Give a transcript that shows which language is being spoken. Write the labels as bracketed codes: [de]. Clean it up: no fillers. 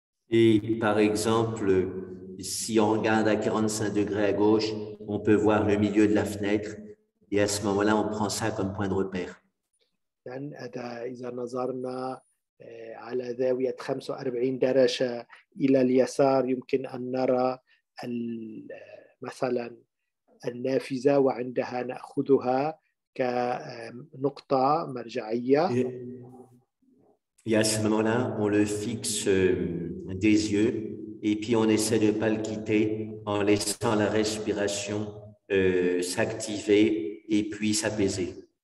[fr] Et par exemple, si on regarde à 45 degrés à gauche, on peut voir le milieu de la fenêtre et à ce moment-là, on prend ça comme point de repère. [ar] Then, إذا نظرنا على زاوية 45 درجة إلى اليسار يمكن أن نرى مثلا النافذة وعندها نأخذها كنقطة مرجعية. [fr] Et à ce moment-là, on le fixe des yeux et puis on essaie de ne pas le quitter en laissant la respiration s'activer et puis s'apaiser.